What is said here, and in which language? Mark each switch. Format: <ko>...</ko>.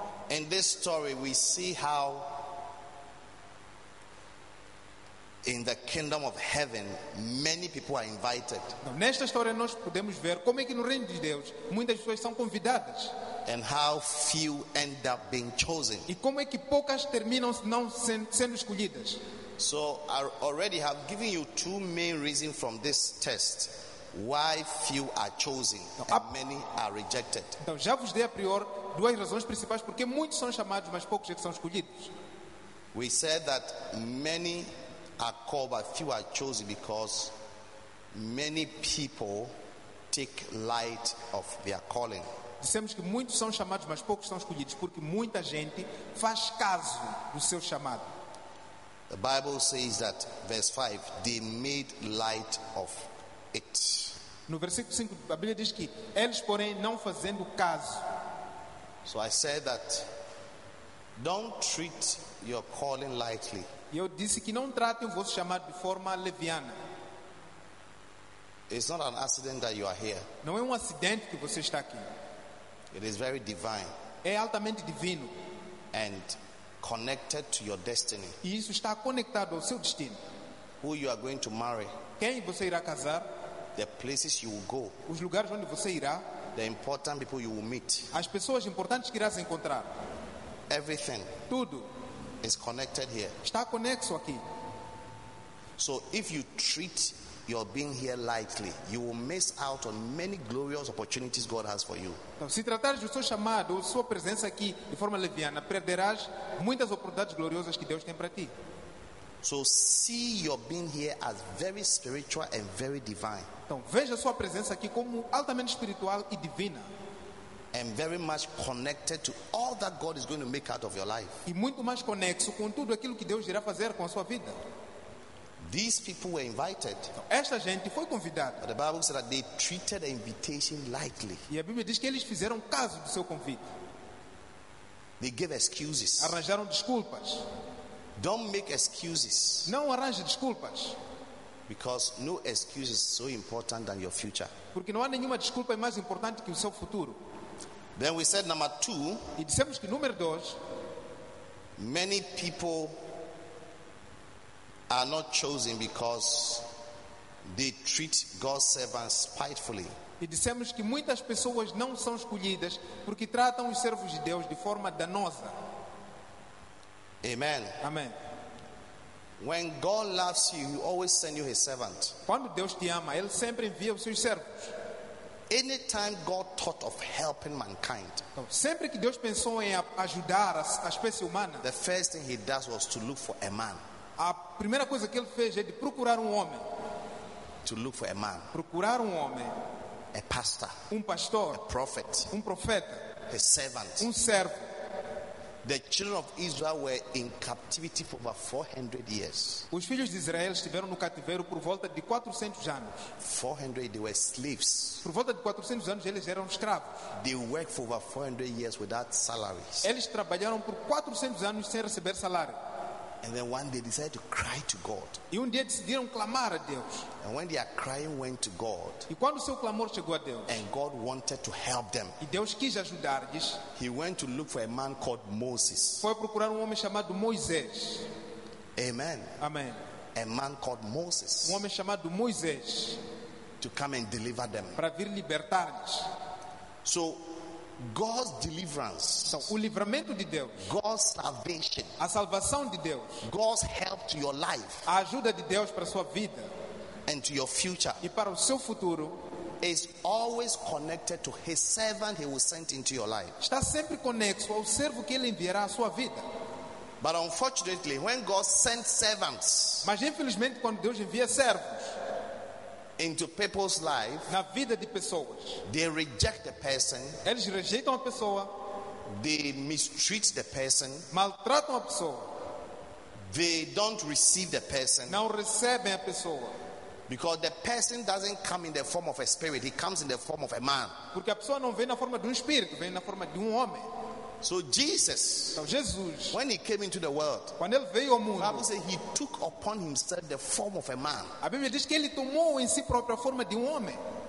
<en>in this story we see how in the kingdom of heaven many people are invited.</en> <pt>Nesta história nós podemos ver como é que no reino de Deus muitas pessoas são convidadas.</pt> <en>And how few end up being chosen.</en> <pt>E como é que poucas terminam não sendo escolhidas?</pt> <en>So, I already have given you two main reasons from this test. Why few are chosen and many are rejected.</en> <pt>Então, já vos dei a priori duas razões principais porque muitos são chamados, mas poucos é que são escolhidos.</pt> <en>We said that many are called but few are chosen because many people take light of their calling.</en> <pt>Dissemos que muitos são chamados, mas poucos são escolhidos porque muita gente faz caso do seu chamado.</pt> <en>The Bible says that verse 5, they made light of it.</en> <pt>No versículo 5, a Bíblia diz que eles, porém, não fazendo caso.</pt> <en>So I said that don't treat your calling lightly.</en> <pt>Eu disse que não tratem o vosso chamado de forma leviana.</pt> <en>It's not an accident that you are here.</en> <pt>Não é acidente que você está aqui.</pt> <en>It is very divine.</en> <pt>É altamente divino.</pt> <en>And connected to your destiny.</en> <pt>E isso está conectado ao seu destino.</pt> <en>Who you are going to marry?</en> <pt>Quem você irá casar?</pt> <en>The places you will go.</en> <pt>Os lugares onde você irá.</pt> <en>The important people you will meet.</en> <pt>As pessoas importantes que irás encontrar.</pt> <en>Everything.</en> <pt>Tudo.</pt> <en>Is connected here.</en> <pt>Está conexo aqui.</pt> <en>So if you treat your being here lightly, you will miss out on many glorious opportunities God has for you.</en> <pt>Então, se tratares do seu chamado, sua presença aqui de forma leviana, perderás muitas oportunidades gloriosas que Deus tem para ti.</pt> <en>So see your being here as very spiritual and very divine.</en> <pt>Então veja sua presença aqui como altamente espiritual e divina.</pt> <en>And very much connected to all that God is going to make out of your life.</en> <pt>E muito mais conexo com tudo aquilo que Deus irá fazer com a sua vida.</pt> <en>These people were invited.</en> <pt>Então, esta gente foi convidada.</pt> <en>But the Bible says that they treated the invitation lightly.</en> <pt>E a Bíblia diz que eles fizeram caso do seu convite.</pt> <en>They gave excuses.</en> <pt>Arranjaram desculpas.</pt> <en>Don't make excuses.</en> <pt>Não arranje desculpas.</pt> <en>Because no excuse is so important than your future.</en> <pt>Porque não há nenhuma desculpa mais importante que o seu futuro.</pt> <en>Then we said number two.</en> <pt>E dissemos que número dois.</pt> <en>Many people are not chosen because they treat God's servants spitefully.</en> <pt>E dissemos que muitas pessoas não são escolhidas porque tratam os servos de Deus de forma danosa.</pt> <en>Amen.</en> <pt>Amém.</pt> <en>When God loves you, He always sends you His servant.</en> <pt>Quando Deus te ama, Ele sempre envia os seus servos.</pt> <en>Anytime God thought of helping mankind,</en> <pt>então, sempre que Deus pensou em ajudar a espécie humana,</pt> <en>the first thing He does was to look for a man.</en> <pt>A primeira coisa que Ele fez é de procurar um homem.</pt> <en>To look for a man.</en> <pt>Procurar um homem.</pt> <en>A pastor.</en> <pt>Um pastor.</pt> <en>A prophet.</en> <pt>Um profeta.</pt> <en>A servant.</en> <pt>Um servo.</pt> <en>The children of Israel were in captivity for over 400 years.</en> <pt>Os filhos de Israel estiveram no cativeiro por volta de 400 anos.</pt> <en>400, they were slaves.</en> <pt>Por volta de 400 anos eles eram escravos.</pt> <en>They worked for over 400 years without salaries.</en> <pt>Eles trabalharam por 400 anos sem receber salário.</pt> <en>And then one day they decided to cry to God.</en> <pt>E dia decidiram clamar a Deus.</pt> <en>And when their crying went to God,</en> <pt>e quando seu clamor chegou a Deus,</pt> <en>and God wanted to help them,</en> <pt>e Deus quis ajudar-lhes,</pt> <en>He went to look for a man called Moses.</en> <pt>Foi procurar homem chamado Moisés.</pt> <en>Amen.</en> <pt>Amen.</pt> <en>A man called Moses.</en> <pt>Homem chamado Moisés.</pt> <en>To come and deliver them.</en> <pt>Para vir libertar-lhes.</pt> <en>So God's deliverance,</en> <pt>então, o livramento de Deus,</pt> <en>God's salvation,</en> <pt>a salvação de Deus,</pt> <en>God's help to your life,</en> <pt>a ajuda de Deus para a sua vida,</pt> <en>and to your future,</en> <pt>e para o seu futuro,</pt> <en>is always connected to His servant He will send into your life.</en> <pt>Está sempre conexo ao servo que Ele enviará à sua vida.</pt> <en>But unfortunately, when God sends servants,</en> <pt>mas infelizmente quando Deus envia servos</pt> <en>into people's life,</en> <pt>na vida de pessoas,</pt> <en>they reject the person,</en> <pt>eles rejeitam a pessoa,</pt> <en>they mistreat the person,</en> <pt>maltratam a pessoa,</pt> <en>they don't receive the person,</en> <pt>não recebem a pessoa,</pt> <en>because the person doesn't come in the form of a spirit, he comes in the form of a man.</en> <pt>Porque a pessoa não vem na forma de espírito, vem na forma de homem.</pt> <en>So Jesus,</en> <pt>então Jesus,</pt> <en>when He came into the world,</en> <pt>quando Ele veio ao mundo,</pt> <en>the Bible says He took upon Himself the form of a man.</en> <pt>A Bíblia diz que Ele tomou em si própria a forma de homem.</pt>